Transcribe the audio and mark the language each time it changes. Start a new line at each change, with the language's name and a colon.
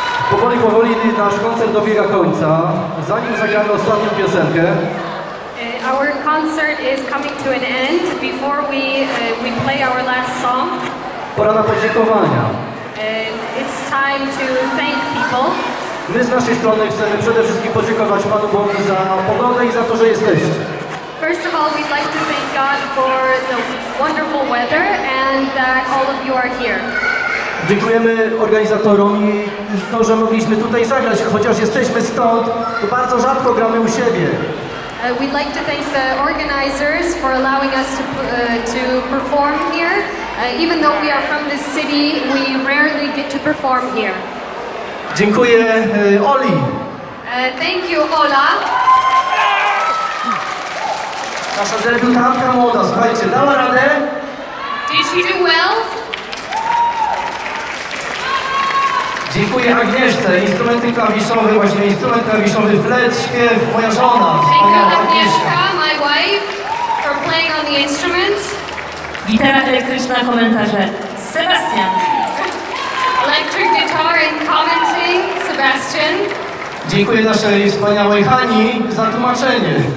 Polish: Powoli, powoli nasz koncert dobiega końca. Zanim zagramy ostatnią piosenkę.
English: Our concert is coming to an end. Before we play our last song.
Polish: Pora na podziękowania.
English: It's time to thank people.
Polish: My z naszej strony chcemy przede wszystkim podziękować Panu Bogu za pogodę i za to, że jesteście.
English: First of all, we'd like to thank God for the wonderful weather and that all of you are here.
Polish: Dziękujemy organizatorom i to, że mogliśmy tutaj zagrać, chociaż jesteśmy stąd, to bardzo rzadko gramy u siebie.
English: We'd like to thank the organizers for allowing us to perform here. Even though we are from this city, we rarely get to perform here.
Polish: Dziękuję Oli.
English: Thank you, Ola.
Polish: Nasza debiutantka młoda, słuchajcie, dała radę?
English: Did she do well?
Polish: Dziękuję Agnieszce, instrumenty klawiszowe, właśnie instrument klawiszowy, flet, śpiew, moja żona. Dziękuję
English: Agnieszka, my wife, for playing on the instrument.
Polish: Gitara elektryczna, komentarze, Sebastian.
English: Electric guitar and commenting, Sebastian.
Polish: Dziękuję naszej wspaniałej Hani za tłumaczenie.